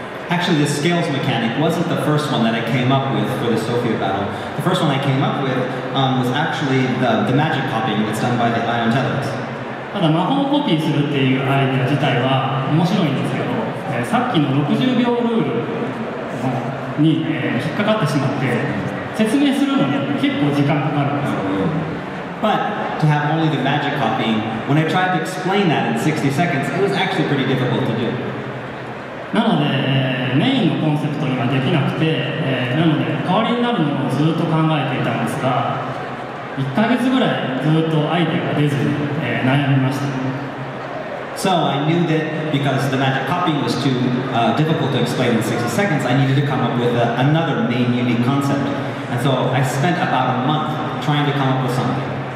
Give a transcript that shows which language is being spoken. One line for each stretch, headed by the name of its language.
English: Actually, the scales mechanic wasn't the first one that I came up with for the Sophia battle. The first one I came up with was actually the magic copying that's done by the Ion Tethers.
Japanese: ただ魔法をコピーするっていうアイデア自体は面白いんですけど、さっきの60秒ルールに、引っかかってしまって説明するのに結構時間かかるんですよ。
English: But to have only the magic copying, when I tried to explain that in 60 seconds, it was actually pretty difficult to do.
Japanese: なので、メインのコンセプトにはできなくて、なので代わりになるのをずっと考えていたんですが、1ヶ月ぐらいずっとアイデアが出ずに、悩みました。
English: So I knew that because the magic copying was too difficult to explain in 60 seconds, I needed to come up with another main unique concept. And so I spent about a month trying to come up with something.